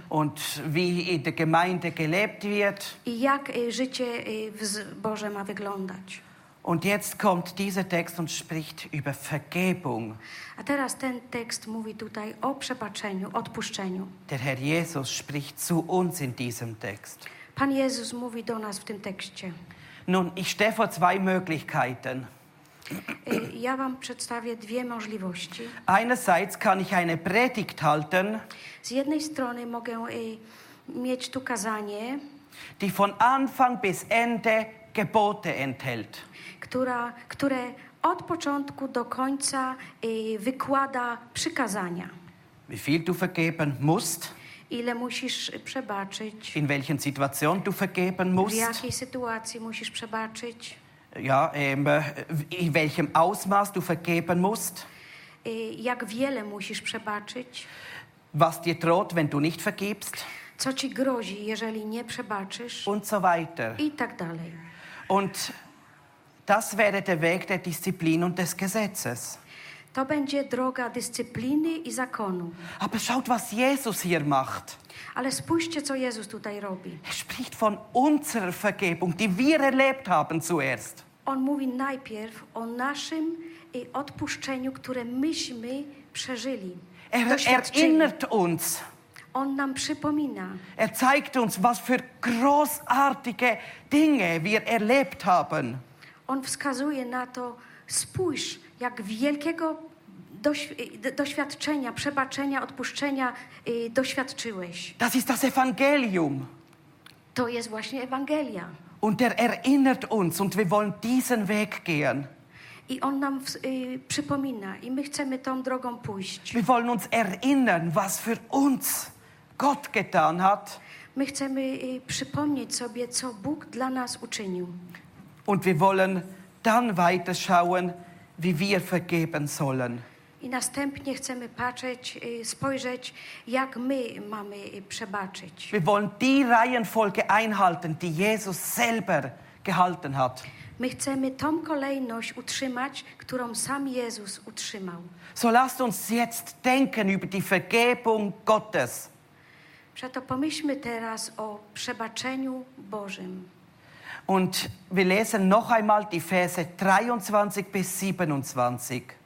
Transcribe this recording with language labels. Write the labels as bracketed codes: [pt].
[de] Und wie in der Gemeinde gelebt wird. [pl] I jak życie w zborze ma wyglądać. [de] Und jetzt kommt dieser Text und spricht über Vergebung. [pl] A teraz ten tekst mówi tutaj o przebaczeniu, odpuszczeniu. [de] Der Herr Jesus spricht zu uns in diesem Text. [pl] Pan Jezus mówi do nas w tym tekście. [de] Nun, ich stehe vor zwei Möglichkeiten. [pl] Ja wam przedstawię dwie możliwości. [de] Einerseits kann ich eine Predigt halten. [pl] Z jednej strony mogę mieć tu kazanie, [de] die von Anfang bis Ende Gebote enthält. [pl] Które od początku do końca wykłada przykazania. [de] Wie viel du vergeben musst? [pl] Ile musisz przebaczyć? [de] In welchen Situation du vergeben musst? [pl] W jakiej sytuacji musisz przebaczyć? [de] Ja, in welchem Ausmaß du vergeben musst? [pl] Jak wiele musisz przebaczyć? [de] Was dir droht, wenn du nicht vergibst? [pl] Co ci grozi, jeżeli nie przebaczysz? [de] Und so weiter. [pl] I tak dalej. [de] Und das wäre der Weg der Disziplin und des Gesetzes. [pl] To będzie droga dyscypliny i zakonu. [de] Aber schaut, was Jesus hier macht. [pl] Ale spójrzcie, co Jezus tutaj robi. [de] Er spricht von unserer Vergebung, die wir erlebt haben zuerst. [pl] On mówi najpierw o naszym odpuszczeniu, które myśmy przeżyli. [de] Erinnert uns. [pl] On nam przypomina. [de] Er zeigt uns, was für großartige Dinge wir erlebt haben. [pl] On wskazuje na to, spójrz, jak wielkiego doświadczenia, przebaczenia, odpuszczenia doświadczyłeś. [de] Das ist das Evangelium. [pl] To jest właśnie Ewangelia. [de] Und erinnert uns und wir wollen diesen Weg gehen. [pl] I on nam przypomina i my chcemy tą drogą pójść. [de] Wir wollen uns erinnern, was für uns Gott getan hat. [pl] My chcemy przypomnieć sobie, co Bóg dla nas uczynił. [de] Und wir wollen dann weiter schauen, wie wir vergeben sollen. [pl] I następnie chcemy patrzeć, spojrzeć, jak my mamy przebaczyć. [de] Wir wollen die Reihenfolge einhalten, die Jesus selber gehalten hat. [pl] My chcemy tą kolejność utrzymać, którą sam Jezus utrzymał. [de] So lasst uns jetzt denken über die Vergebung Gottes. [pl] Przeto pomyślmy teraz o przebaczeniu Bożym. [de] Und wir lesen noch einmal die Verse 23 bis 27.